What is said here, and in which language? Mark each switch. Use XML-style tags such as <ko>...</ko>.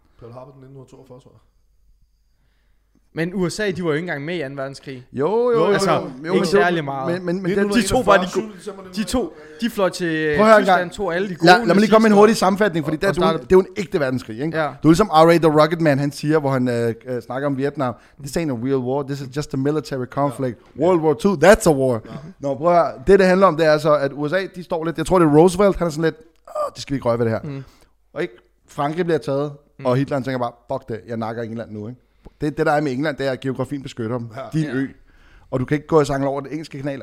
<da>den 1942, tror jeg. Men USA, de var jo ikke engang med i 2. verdenskrig. Jo. Ikke særlig meget. Men de to var de fløj til Tyskland, tog alle de gode. Lad mig lige komme med en hurtig sammenfatning, fordi det er jo en ægte verdenskrig. Ikke? Ja. Du er ligesom R.A. The Rugged Man, han siger, hvor han snakker om Vietnam.</da> <en>This ain't a real war, this is just a military conflict. Ja. World War II, that's a war. Ja.</en> <da>Nå, prøv at høre. Det handler om, det er altså, at USA, de står lidt, jeg tror det er Roosevelt, han er sådan lidt, det skal vi ikke røve ved det her. Mm. Og ikke, Frankrig bliver taget, og Hitler tænker bare, fuck det, jeg nakker England nu, ikke? Det der er med England, det er, at geografien beskytter dem. Ja. De er en ø. Og du kan ikke gå og sangle over den engelske kanal.</da>